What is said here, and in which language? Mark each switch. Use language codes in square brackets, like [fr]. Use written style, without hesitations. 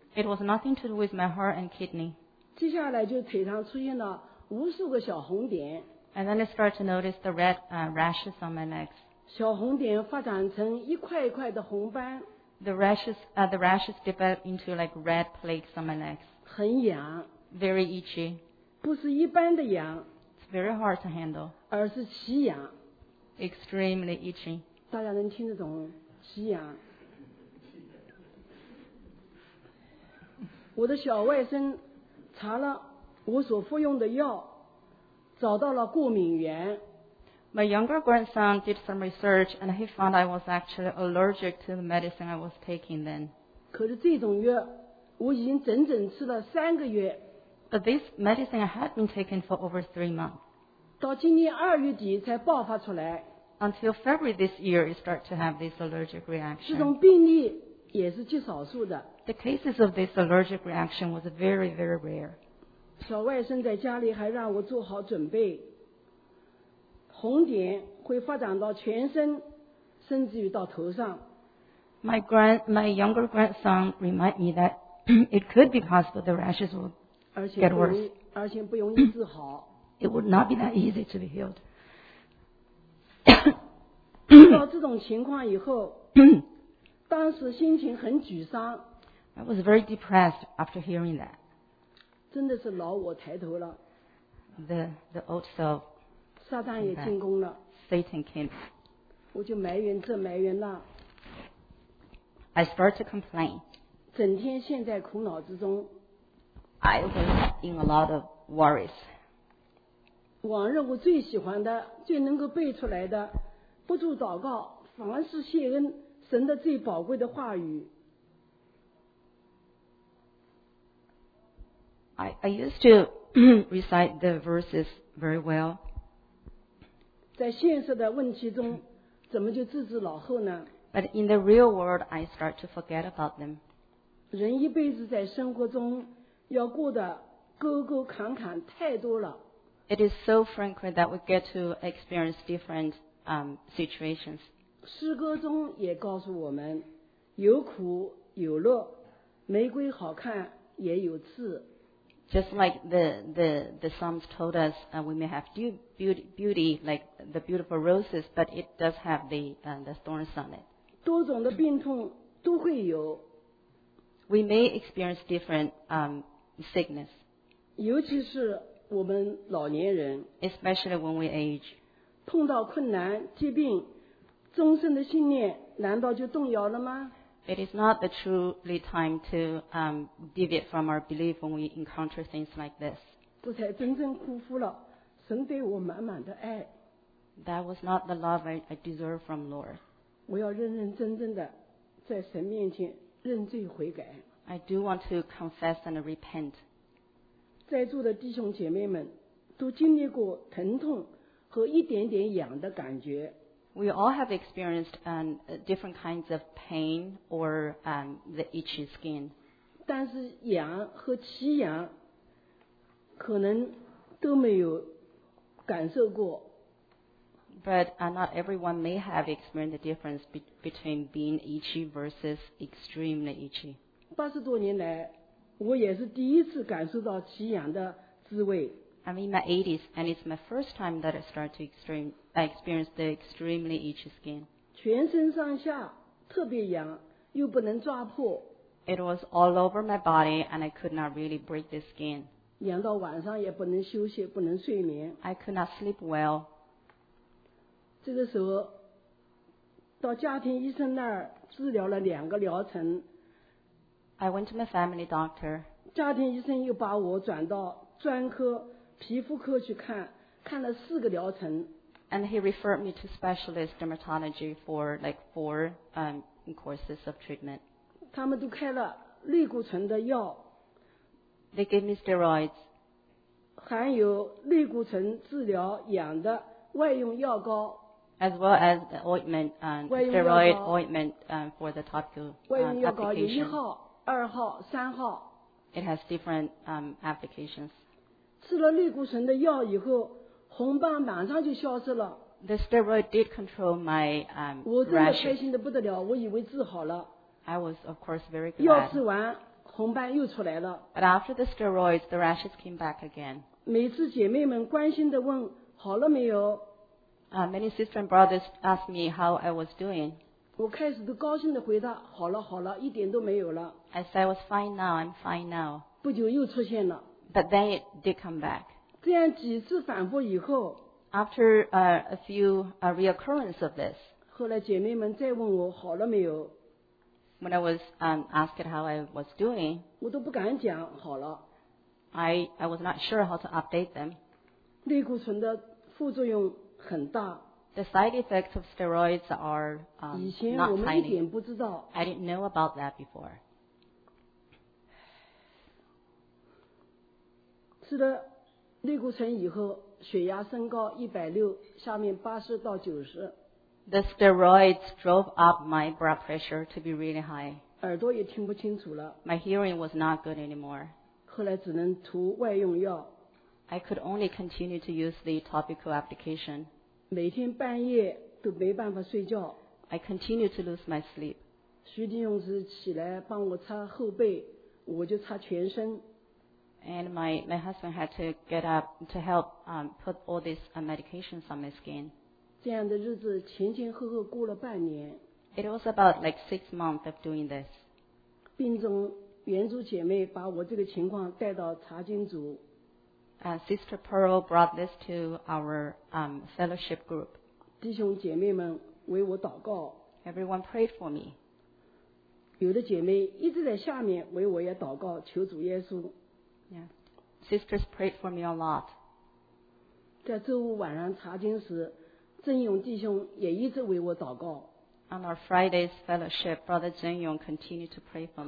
[en] It was nothing to do with my heart and kidney. [zh] 接下来就腿上出现了无数个小红点。 [en] And then I start to notice the red rashes on my legs. [zh] 小红点发展成一块一块的红斑。 [en] The rashes develop into like red plaques on my legs. [zh] 很痒。 [en] Very itchy. [zh] 不是一般的痒。 [en] It's very hard to handle. [zh] 而是奇痒。 [en] Extremely itchy. [zh] 大家能听得懂奇痒。我的小外甥查了我所服用的药，找到了过敏源。 [en] My younger grandson did some research and he found I was actually allergic to the medicine I was taking then. [zh] 可是这种药我已经整整吃了三个月。 [en] But this medicine had been taken for over 3 months. [zh] 到今年二月底才爆发出来。 [en] Until February this year, you start to have this allergic reaction. [zh] 这种病例也是极少数的。 [en] The cases of this allergic reaction was very, very rare. [zh] 小外甥在家里还让我做好准备，红点会发展到全身，甚至于到头上。 [en] My younger grandson remind me that it could be possible the rashes would get worse. [zh] 而且不容易治好。 [en] It would not be that easy to be healed. [zh] 到这种情况以后，当时心情很沮丧。 [en] I was very depressed after hearing that. [zh] 真的是老我抬头了。 [en] The old self. [zh] 撒旦也进攻了。 [en] Satan came. [zh] 我就埋怨这埋怨那。 [en] I started to complain. [zh] 整天陷在苦恼之中。 [en] I was in a lot of worries. [zh] 往日我最喜欢的，最能够背出来的，不住祷告，凡事谢恩，神的最宝贵的话语。 [en] I used to recite the verses very well. [zh] 在现实的问题中，怎么就置之脑后呢？ [en] But in the real world, I start to forget about them. [zh] 人一辈子在生活中要过的沟沟坎坎太多了。 [en] It is so frequent that we get to experience different situations. [zh] 诗歌中也告诉我们，有苦有乐，玫瑰好看也有刺。 [en] Just like the Psalms told us, we may have beauty like the beautiful roses, but it does have the thorns on it. [zh] 多种的病痛都会有。 [en] We may experience different sickness. [zh] 尤其是我们老年人。 [en] Especially when we age. [zh] 碰到困难、疾病，终身的信念难道就动摇了吗？ [en] It is not the truly time to deviate from our belief when we encounter things like this. [zh] 这才真正辜负了神对我满满的爱。 [en] That was not the love I deserve from Lord. [zh] 我要认认真真的在神面前认罪悔改。 [en] I do want to confess and repent. [zh] 在座的弟兄姐妹们都经历过疼痛和一点点痒的感觉。 [en] We all have experienced different kinds of pain or the itchy skin. [zh] 但是痒和奇痒可能都没有感受过。 [en] But not everyone may have experienced the difference between being itchy versus extremely itchy. [zh] 八十多年来，我也是第一次感受到奇痒的滋味。 [en] I'm in my 80s, and it's my first time that I start to experience the extremely itchy skin. [zh] 全身上下特别痒，又不能抓破。 [en] It was all over my body, and I could not really break the skin. [zh] 痒到晚上也不能休息，不能睡眠。 [en] I could not sleep well. [zh] 这个时候，到家庭医生那儿治疗了两个疗程。 [en] I went to my family doctor. [zh] 家庭医生又把我转到专科。皮肤科去看，看了四个疗程。 [en] And he referred me to specialist dermatology for like four courses of treatment. [zh] 他们都开了类固醇的药。 [en] They gave me steroids. [zh] 含有类固醇治疗痒的外用药膏。 [en] As well as the ointment and steroid ointment for the topical application. [zh] 外用药膏有一号、二号、三号。 [en] It has different applications. [zh] 吃了类固醇的药以后，红斑马上就消失了。 [en] The steroid did control my rash. [zh] 我真的开心的不得了，我以为治好了。 [en] I was of course very glad. [zh] 药吃完，红斑又出来了。 [en] But after the steroids, the rashes came back again. [zh] 每次姐妹们关心的问好了没有。 [en] Many sisters and brothers asked me how I was doing. [zh] 我开始都高兴的回答好了好了，一点都没有了。 [en] I said I was fine now. I'm fine now. [zh] 不久又出现了。 [en] But then it did come back. [zh] 这样几次反复以后， [en] after a few reoccurrence of this, [zh] 后来姐妹们再问我好了没有， [en] when I was asked how I was doing, [zh] 我都不敢讲好了。 [en] I was not sure how to update them. [zh] 类固醇的副作用很大。 [en] The side effects of steroids are not tiny. [zh] 以前我们一点不知道。 [en] I didn't know about that before. [zh] 吃了类固醇以后，血压升高160，下面80到90。 [en] The steroids drove up my blood pressure to be really high. [zh] 耳朵也听不清楚了。 [en] My hearing was not good anymore. [zh] 后来只能涂外用药。 [en] I could only continue to use the topical application. [zh] 每天半夜都没办法睡觉。 [en] I continue to lose my sleep. [zh] 徐弟兄是起来帮我擦后背，我就擦全身。 [en] And my husband had to get up to help put all these medications on my skin. [zh] 这样的日子前前后后过了半年。 [en] It was about like 6 months of doing this. [zh] 病中原主姐妹把我这个情况带到查经组。 [en] Sister Pearl brought this to our fellowship group. [zh] 弟兄姐妹们为我祷告。 [en] Everyone prayed for me. [zh] 有的姐妹一直在下面为我也祷告，求主耶稣。 [en] Sisters prayed for me a lot. [zh] 在周五晚上查经时，曾勇弟兄也一直为我祷告。 [en] On our Friday's fellowship, Brother Zhen Yong continued to pray for me.